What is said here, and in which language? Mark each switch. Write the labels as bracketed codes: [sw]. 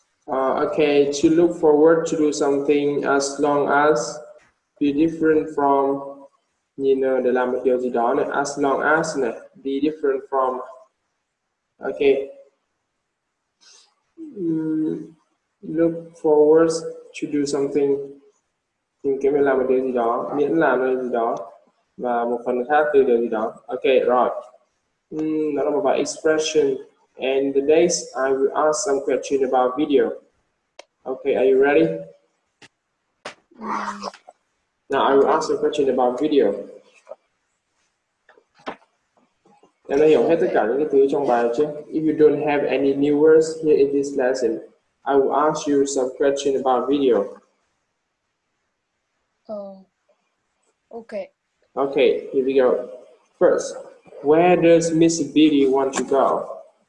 [en] Okay, to look forward to do something as long as be different from, you know, the language done, as long as be different from, okay. Look forward to do something [vi] in cái mình làm một điều gì đó, miễn là một điều gì đó và một phần khác từ điều gì đó. [en] Okay, right. [vi] Nó là một bài expression. [en] And the next, I will ask some question about video. Okay, are you ready? Now I will ask some question about video. [vi] Em đã hiểu hết tất cả những cái thứ trong bài chưa? [en] If you don't have any new words here in this lesson, I will ask you some question about video. Okay. Okay, here we go. First, where does Miss Billy want to go?